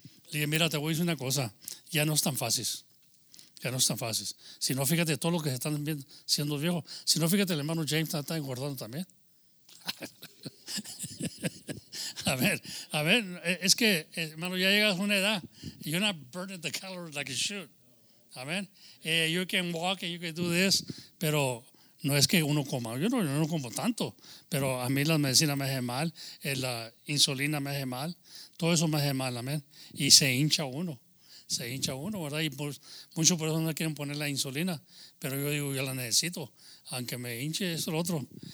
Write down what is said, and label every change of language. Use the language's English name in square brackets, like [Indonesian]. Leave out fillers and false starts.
[Spanish] Le dije, mira, te voy a decir una cosa. Ya no es tan fácil. Ya no es tan fácil. Si no, fíjate, todos los que están viendo, siendo viejos. Si no, fíjate, el hermano James está engordando también. A ver. Es que, hermano, ya llegas a una edad. [English] You're not burning the calories like you should. Amén. You can walk and you can do this, [Spanish] pero... No es que uno coma, yo no como tanto, pero a mí las medicinas me hacen mal, la insulina me hace mal, todo eso me hace mal, amén. Y se hincha uno, ¿verdad? Y muchos por eso no quieren poner la insulina, pero yo digo, yo la necesito, aunque me hinche eso, lo otro.